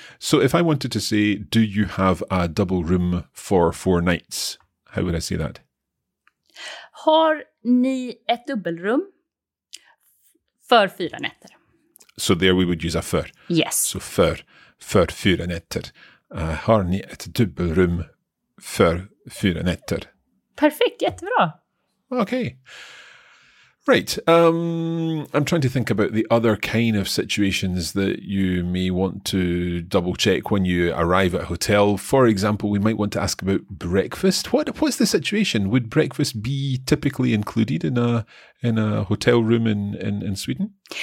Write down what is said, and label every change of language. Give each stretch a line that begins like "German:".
English: So if I wanted to say, do you have a double room for four nights? How would I say that?
Swedish: Har ni ett dubbelrum för fyra nätter?
English: So there we would use a för. Yes.
Swedish: So för fyra nätter. Har ni ett dubbelrum för fyra nätter? Perfekt, jättebra.
English: Okay. Right. I'm trying to think about the other kind of situations that you may want to double check when you arrive at a hotel. For example, we might want to ask about breakfast. What's the situation? Would breakfast be typically included in a hotel room in Sweden?